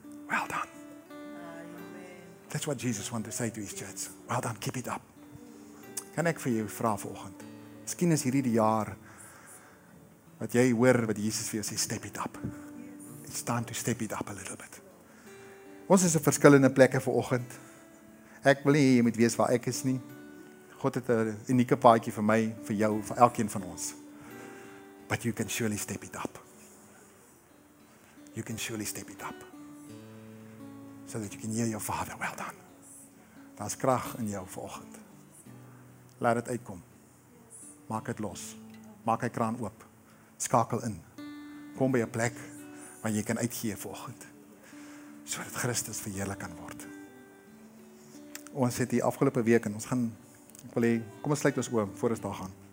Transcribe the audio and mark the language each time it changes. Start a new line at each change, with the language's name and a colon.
English: Well done. That's what Jesus wanted to say to his church. Well done, keep it up.
Afrikaans: Kan ek vir jou vraag vanoggend? Miskien is hierdie jaar, wat jy hoor, wat Jesus vir jou sê,
English: step it up. It's time to step it up a little bit.
Afrikaans: Ons is op verskillende plekke vanoggend. Ek wil nie, jy moet weet waar ek is nie. God het 'n unieke paadjie vir my, vir jou, vir elkeen van ons.
English: But you can surely step it up. You can surely step it up. So that you can hear your Father, well done.
Afrikaans: Daar is krag in jou vanoggend. Laat het uitkom. Maak het los. Maak hy kraan oop. Skakel in. Kom by 'n plek waar jy kan uitgee vanoggend. Sodat Christus verheerlik kan word. Ons het hier afgelope week en ons gaan, ek wil hê, kom ons sluit ons oë voor ons daar gaan.